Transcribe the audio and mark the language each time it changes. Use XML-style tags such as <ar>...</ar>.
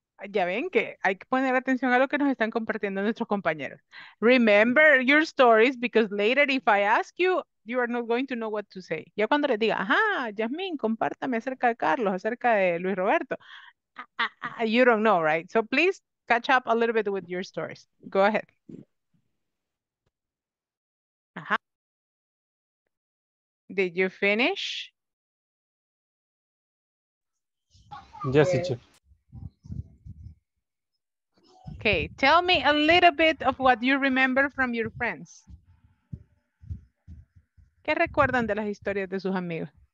<es>Ya ven que hay que poner atención a lo que nos están compartiendo nuestros compañeros.</es> <en>Remember your stories, because later if I ask you, you are not going to know what to say.</en> <es>Ya cuando les diga, ajá, Jasmine, compártame acerca de Carlos, acerca de Luis Roberto.</es> <en>You don't know, right? So please catch up a little bit with your stories. Go ahead. Ajá. Did you finish? Yes, teacher. Okay, tell me a little bit of what you remember from your friends.</en> <es>¿Qué recuerdan de las historias de sus amigos?</es>